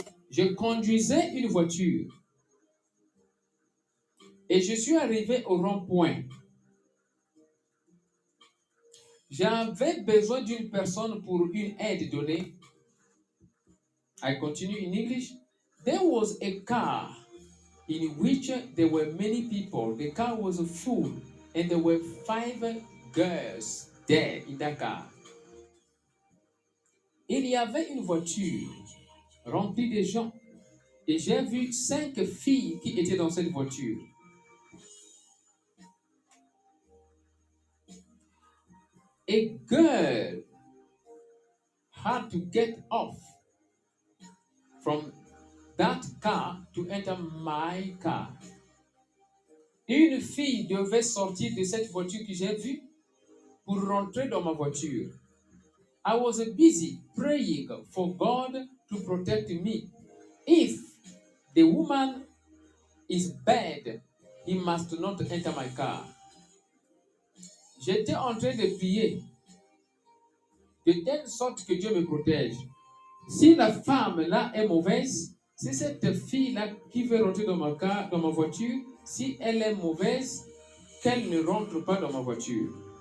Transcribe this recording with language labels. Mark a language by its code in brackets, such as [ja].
[fr] Je conduisais une voiture et je suis arrivé au rond-point. J'avais besoin d'une personne pour une aide donnée. [en] I continue in English. There was a car in which there were many people. The car was full and there were 5 girls there in that car. [fr] Il y avait une voiture remplie de gens et j'ai vu 5 filles qui étaient dans cette voiture. [en] A girl had to get off from that car to enter my car. [fr] Une fille devait sortir de cette voiture que j'ai vue pour rentrer dans ma voiture. [en] I was busy praying for God to protect me. If the woman is bad, he must not enter my car. [fr] J'étais en train de prier de telle sorte que Dieu me protège. Si la femme là est mauvaise, si cette fille là qui veut rentrer dans ma car, dans ma voiture, si elle est mauvaise, qu'elle ne rentre pas dans ma voiture.